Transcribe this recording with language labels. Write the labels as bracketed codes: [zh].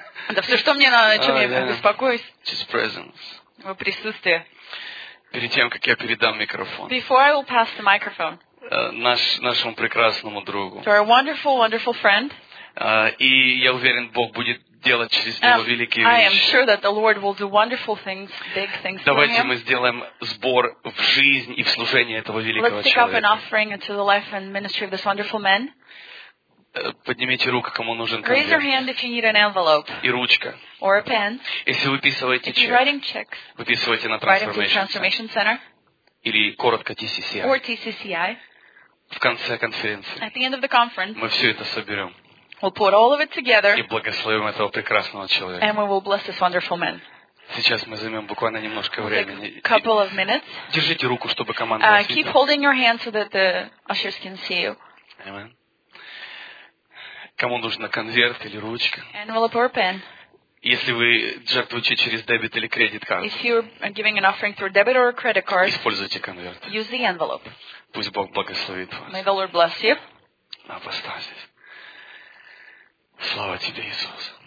[ru] Да все, что мне надо, чем я беспокоюсь. [en] Just presence. [ru] Его присутствие. Перед тем, как я передам микрофон. [en] Before I will pass the microphone. [ru] Нашему прекрасному другу. [en] To our wonderful, wonderful friend. [ru] И я уверен, Бог будет делать через него великие вещи. [en] I am sure that the Lord will do wonderful things, big things for him. [ru] Давайте мы сделаем сбор в жизнь и в служение этого великого человека. [en] Let's pick up an offering into the life and ministry of this wonderful man. [ru] Поднимите руку, кому нужен конверт. [en] Raise your hand if you need an envelope. [ru] И ручка. [en] Or a pen. [ru] Если выписываете чек. [en] If you're writing checks. [ru] Выписывайте на [en] Transformation Center. [ru] Или коротко TCCI. [en] Or TCCI. [ru] В конце конференции. [en] At the end of the conference. [ru] Мы все это соберем. [en] We'll put all of it together. [ru] И благословим этого прекрасного человека. [en] And we will bless this wonderful man. [ru] Сейчас мы займем буквально немножко времени. [en] A couple of minutes. [ru] Держите руку, чтобы команда видела. [en] Keep holding your hand so that the ushers can see you. Amen. [ru] Кому нужен конверт или ручка? [en] Envelope or pen. [ru] Если вы жертвуете через дебет или кредит карту. [en] If you're giving an offering through debit or a credit card. [ru] Используйте конверт. [en] Use the envelope. [ru] Пусть Бог благословит вас. [en] May the Lord bless you. [ru] Апостазис. Слава тебе, Иисус.